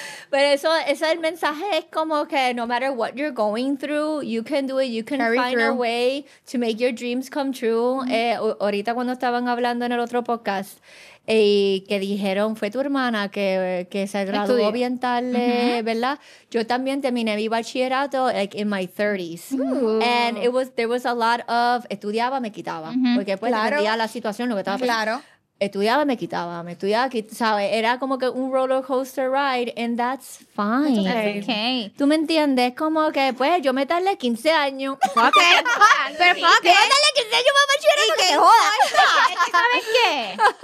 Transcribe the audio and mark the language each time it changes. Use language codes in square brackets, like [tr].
[es] Pero eso, ese es el mensaje, es como que [en] no matter what you're going through, you can do it, you can carry find through a way to make your dreams come true. [es] Ahorita cuando estaban hablando en el otro podcast, que dijeron, fue tu hermana que se graduó bien tarde, ¿verdad? Yo también terminé mi bachillerato [en] like in my 30s. And it was, there was a lot of, [es] estudiaba, me quitaba. Porque pues dependía la situación, lo que estaba pasando. Estudiaba, me quitaba, ¿sabes? Era como que un [en] roller coaster ride, and that's fine. Okay. [es] ¿Tú me entiendes? Como que, pues, yo me tardé 15 años. Ok. Pero, ¿fuck it? Yo me tardé 15 años, mamá, chévere. ¿Y qué joda?